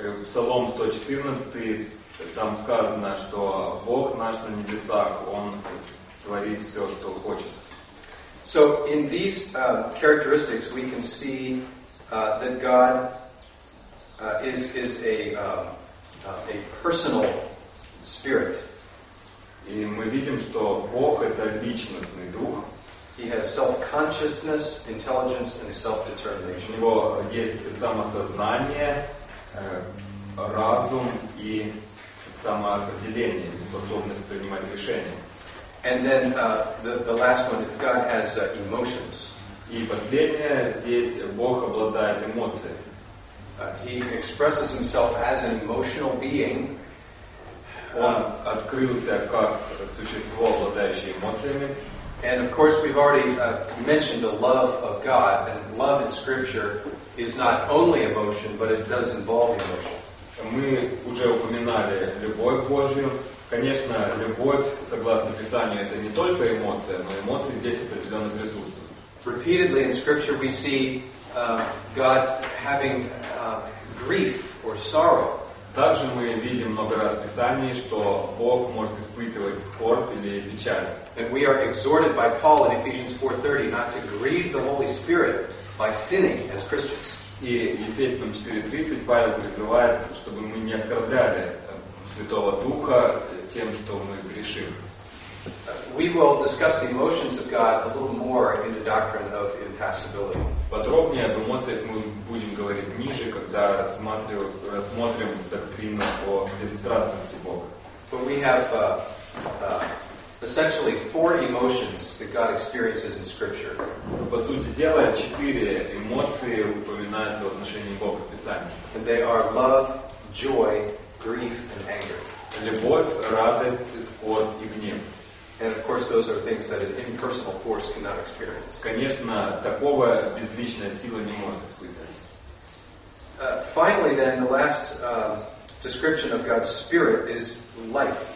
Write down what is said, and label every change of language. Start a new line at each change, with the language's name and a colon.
Russian: Псалом 114 там сказано, что Бог наш на небесах, Он творит все, что хочет.
English: So in these characteristics, we can see that God is a personal spirit.
Russian: И мы видим, что Бог это личностный дух.
English: He has self-consciousness, intelligence, and self-determination.
Russian: У него есть самосознание, разум и самоопределение, способность принимать решения.
English: And then the last one, God has emotions.
Russian: И последнее здесь Бог обладает эмоциями.
English: He expresses himself as an emotional being.
Russian: Он открылся как существо, обладающее эмоциями.
English: And of course, we've already mentioned the love of God, and love in Scripture is not only emotion, but it does involve emotion.
Russian: Мы уже упоминали любовь Божью. Конечно, любовь, согласно Писанию, это не только эмоция, но эмоции здесь определенно присутствуют.
English: Repeatedly in Scripture, we see God having grief or sorrow.
Russian: Также мы видим много раз в Писании, что Бог может испытывать скорбь или печаль.
English: And we are exhorted by Paul in Ephesians 4:30 not to grieve the Holy Spirit by sinning as Christians.
Russian: И Ефесянам 4:30 Павел призывает, чтобы мы не оскорбляли Святого Духа тем, что мы грешим.
English: We will discuss the emotions of God a little more in the doctrine of impassibility.
Russian: Подробнее об эмоциях мы будем говорить ниже, когда рассмотрим доктрину о бесстрастности Бога.
English: But we have essentially four emotions that God experiences in Scripture.
Russian: По сути дела, четыре эмоции упоминаются в отношении Бога в Писании.
English: And they are love, joy, grief, and anger.
Russian: Любовь, радость, скорбь и гнев.
English: And of course, those are things that an impersonal force cannot experience.
Russian: Конечно, такого безличная сила не может испытать.
English: Finally, then, the last description of God's Spirit is life.